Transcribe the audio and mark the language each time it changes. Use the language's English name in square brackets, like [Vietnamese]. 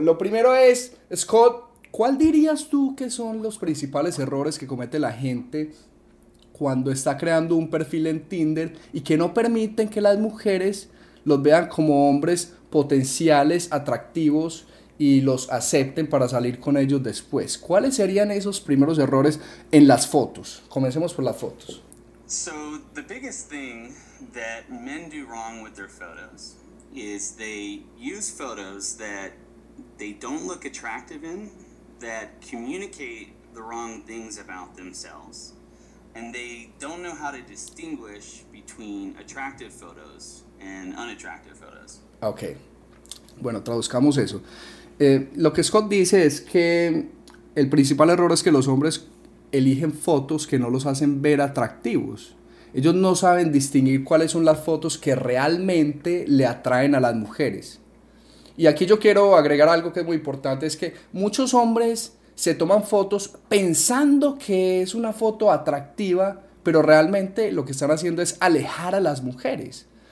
[Spanish] Lo primero es, Scott, ¿cuál dirías tú que son los principales errores que comete la gente cuando está creando un perfil en Tinder y que no permiten que las mujeres los vean como hombres potenciales, atractivos y los acepten para salir con ellos después? ¿Cuáles serían esos primeros errores en las fotos? Comencemos por las fotos. [English] So the biggest thing that men do wrong with their photos is they use photos that they don't look attractive in, that communicate the wrong things about themselves, and they don't know how to distinguish between attractive photos and unattractive photos. [Spanish] Ok, bueno, traduzcamos eso. Lo que Scott dice es que el principal error es que los hombres eligen fotos que no los hacen ver atractivos. Ellos no saben distinguir cuáles son las fotos que realmente le atraen a las mujeres. Y aquí yo quiero agregar algo que es muy importante, es que muchos hombres se toman fotos pensando que es una foto atractiva, pero realmente lo que están haciendo es alejar a las mujeres.